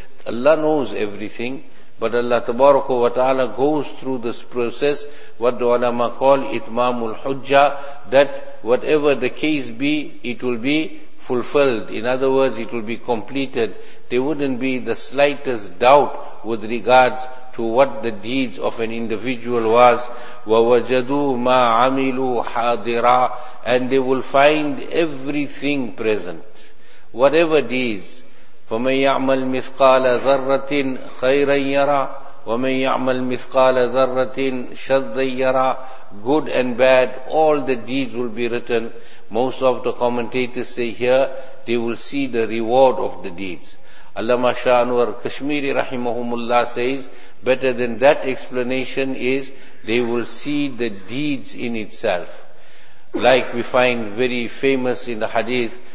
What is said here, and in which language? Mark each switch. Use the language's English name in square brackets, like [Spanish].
[English] Allah knows everything, but Allah Tabaraka wa Ta'ala goes through this process, what the ulama call itmamul hujjah, that whatever the case be, it will be fulfilled. In other words, it will be completed. There wouldn't be the slightest doubt with regards to what the deeds of an individual was. [Arabic] وَوَجَدُوا مَا عَمِلُوا حَاضِرًا, [English] and they will find everything present. Whatever deeds, [Arabic] فَمَنْ يَعْمَلْ مِثْقَالَ ذَرَّةٍ خَيْرًا يَرَى وَمَنْ يَعْمَلْ مِثْقَالَ ذَرَّةٍ شَرًّا يَرَى, [English] good and bad, all the deeds will be written. Most of the commentators say here, they will see the reward of the deeds. Allama Shah Anwar Kashmiri rahimahumullah says, better than that explanation is, they will see the deeds in itself. Like we find very famous in the hadith,